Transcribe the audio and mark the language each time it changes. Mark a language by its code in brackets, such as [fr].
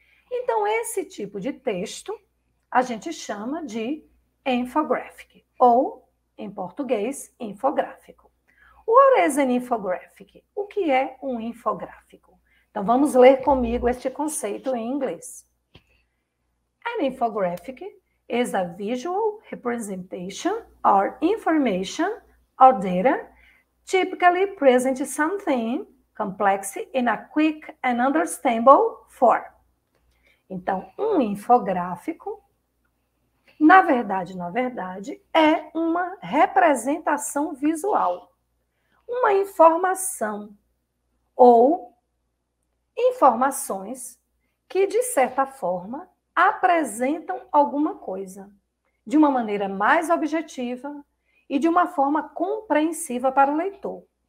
[pt] Então, esse tipo de texto a gente chama de infographic, ou em português, infográfico. [en] What is an infographic? [pt] O que é um infográfico? Então vamos ler comigo este conceito em inglês. [en] An infographic is a visual representation or information or data typically present something complex in a quick and understandable form. [pt] Então, um infográfico, Na verdade, é uma representação visual, uma informação ou informações que, de certa forma, apresentam alguma coisa de uma maneira mais objetiva e de uma forma compreensiva para o leitor.